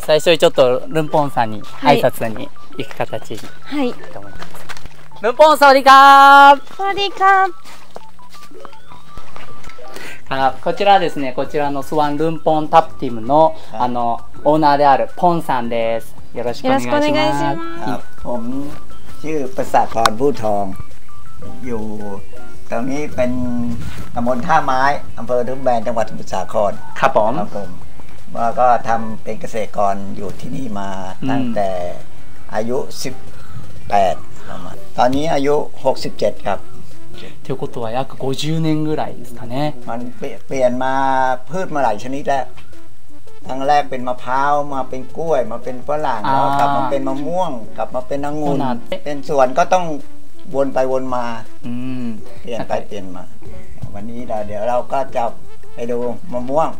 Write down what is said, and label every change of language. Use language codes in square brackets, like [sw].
[ja] 最初にちょっとルンポンさんに挨拶に行く形に、はい、行きたいと思います。ルンポン、 [th] サワディーカー。サワディーカー。 [ja] こちらですね、こちらのスワンルンポンタプティムの、はい、あのオーナーであるポンさんです。よろしくお願いします。よろしくお願いします。 [th] ผมชื่อประสาทพรบู่ทองอยู่ตรงนี้เป็นตำบลท่าไม้อำเภอทุ่งแบนจังหวัดสมุทรสาคร ครับผม ครับผมว่าก็ทำเป็นเกษตรกรอยู่ที่นี่มาตั้งแต่อายุ18ประมาณตอนนี้อายุ67ครับ [ja] ということは約50年ぐらいですかね。 [th] มันเปลี่ยนมาพืชมาหลายชนิดแล้วครั้งแรกเป็นมะพร้าวมาเป็นกล้วยมาเป็นฝรั่งแล้วกลับมาเป็นมะม่วงกลับมาเป็นองุ่นเป็นสวนก็ต้องวนไปวนมาเปลี่ยนไปเปลี่ยนมาวันนี้เดี๋ยวเราก็จะไปดูมะม่วง